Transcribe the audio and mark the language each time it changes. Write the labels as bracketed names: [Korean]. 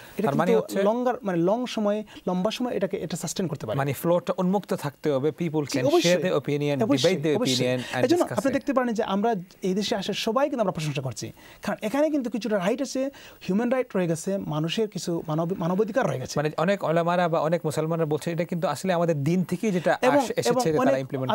[Bangla] এটা মানে longer, মানে long সময়ে, লম্বা সময়ে এটা sustain করতে পারে. মানে ফ্লোটা উন্মুক্ত থাকতে হবে. [English] People can share their opinion, debate their opinion, and discuss it. [Bangla] আপনি দেখতে পারেন যে আমরা এই দেশে আসার সবাই কিন্তু আমরা প্রশংসা করছি, কারণ এখানে কিন্তু কিছুটা রাইট আছে, হিউম্যান রাইট রয়ে গেছে, মানুষের কিছু মানবাধিকার রয়ে গেছে. মানে অনেক ওলামারা বা অনেক মুসলমানরা বলছে এটা কিন্তু আসলে আমাদের দিন থেকেই যেটা এসেছে তারা ইমপ্লিমেন্ট করছে.